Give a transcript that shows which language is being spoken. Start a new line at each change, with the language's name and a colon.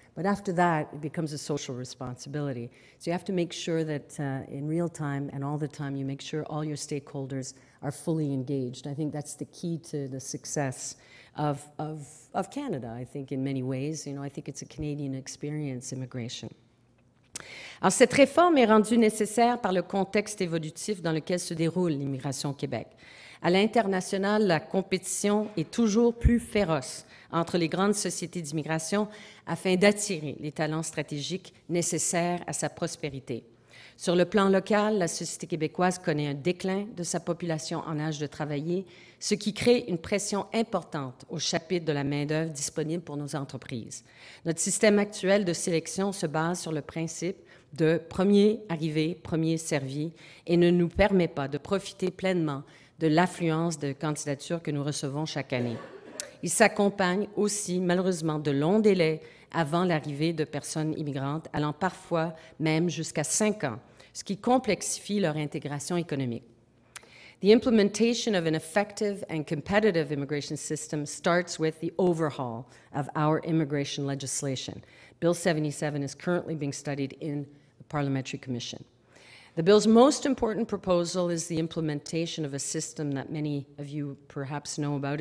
English: But after that, it becomes a social responsibility. So you have to make sure that in real time and all the time, you make sure all your stakeholders are fully engaged. I think that's the key to the success of Canada, I think, in many ways. You know, I think it's a Canadian experience, immigration.
French: Alors, cette réforme est rendue nécessaire par le contexte évolutif dans lequel se déroule l'immigration au Québec. À l'international, la compétition est toujours plus féroce entre les grandes sociétés d'immigration afin d'attirer les talents stratégiques nécessaires à sa prospérité. Sur le plan local, la société québécoise connaît un déclin de sa population en âge de travailler, ce qui crée une pression importante au chapitre de la main-d'œuvre disponible pour nos entreprises. Notre système actuel de sélection se base sur le principe de premier arrivé, premier servi, et ne nous permet pas de profiter pleinement de l'affluence de candidatures que nous recevons chaque année. Il s'accompagne aussi, malheureusement, de longs délais avant l'arrivée de personnes immigrantes, allant parfois même jusqu'à 5 ans, ce qui complexifie leur intégration économique.
English: The implementation of an effective and competitive immigration system starts with the overhaul of our immigration legislation. Bill 77 is currently being studied in the Parliamentary Commission. The bill's most important proposal is the implementation of a system that many of you perhaps know about.